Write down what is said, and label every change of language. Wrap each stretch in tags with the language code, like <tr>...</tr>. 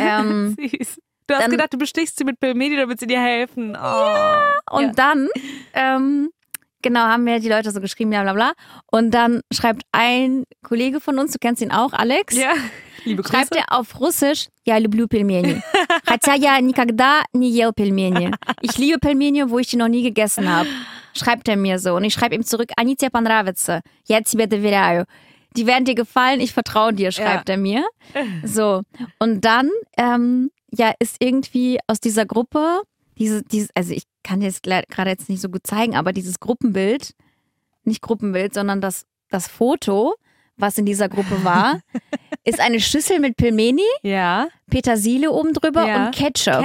<de>Süß. Du hast dann gedacht, du bestichst sie mit Pelmeni, damit sie dir helfen. Ja, und dann, haben mir die Leute so geschrieben, bla bla bla. Und dann schreibt ein Kollege von uns, du kennst ihn auch, Alex. Ja, liebe Grüße. Schreibt er auf Russisch, ja, люблю пельмени.</de> <ru>Хотя я никогда не ел пельмени.</ru> <de>Ich liebe Pelmeni, wo ich die noch nie gegessen habe. Schreibt er mir so. Und ich schreibe ihm zurück, они тебе понравятся.</de> <ru>Я тебе доверяю.</ru> <de>Die werden dir gefallen, ich vertraue dir, schreibt er mir. So. Und dann ist irgendwie aus dieser Gruppe, also ich kann dir das gerade jetzt nicht so gut zeigen, aber dieses Gruppenbild, nicht Gruppenbild, sondern das Foto, was in dieser Gruppe war, ist eine Schüssel mit Pelmeni, Petersilie oben drüber und Ketchup.</de>